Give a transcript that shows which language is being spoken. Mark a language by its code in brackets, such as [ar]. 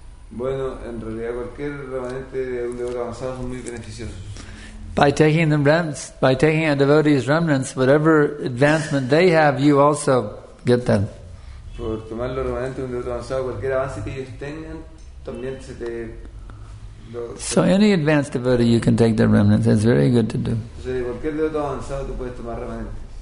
[es] Bueno, en realidad cualquier remanente de un devoto avanzado son muy beneficiosos. [en] By taking a devotee's remnants, whatever advancement they have, you also get them. [es] Por tomar los remanentes de un devoto avanzado, cualquier avance que ellos tengan, también se te. [en] So any advanced devotee, you can take their remnants. It's very good to do. [es] Entonces, de cualquier devoto avanzado, tú puedes tomar remanentes.